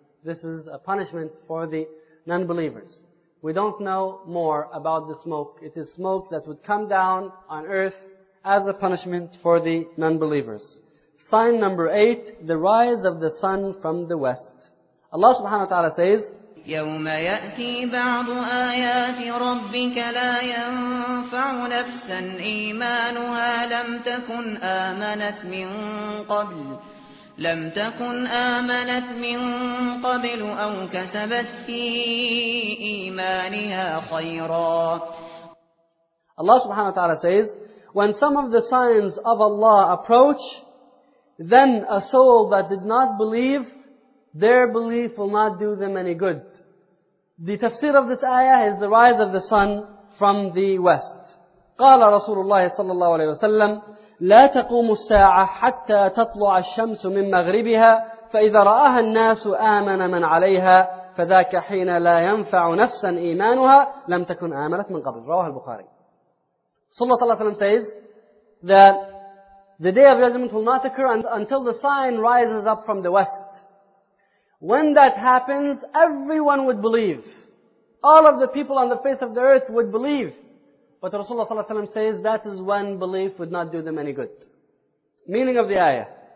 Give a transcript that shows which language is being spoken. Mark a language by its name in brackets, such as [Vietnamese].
[English] This is a punishment for the non-believers. We don't know more about the smoke. It is smoke that would come down on earth as a punishment for the non-believers. Sign number 8, the rise of the sun from the west. Allah subhanahu wa ta'ala says, [Arabic] يَوْمَ يَأْتِي بَعْضُ آيَاتِ رَبِّكَ لَا يَنْفَعُ نَفْسًا إِيمَانُهَا لَمْ تَكُنْ آمَنَتْ مِنْ قَبْلِ لم تكن آمنت من قبل أو كسبت في إيمانها خيرا. [English] Allah subhanahu wa ta'ala says, when some of the signs of Allah approach, then a soul that did not believe, their belief will not do them any good. The tafsir of this ayah is the rise of the sun from the west. [Arabic] قال رسول الله صلى الله عليه وسلم, لا تقوم الساعة حتى تطلع الشمس من مغربها فإذا رآها الناس آمن من عليها فذاك حين لا ينفع نفسا إيمانها لم تكن آمنت من قبل. رواه البخاري. صلى الله عليه وسلم [English] says that the day of judgment will not occur until the sign rises up from the west. When that happens, everyone would believe. All of the people on the face of the earth would believe. But Rasulullah sallallahu alayhi wa sallam says that is when belief would not do them any good. Meaning of the ayah.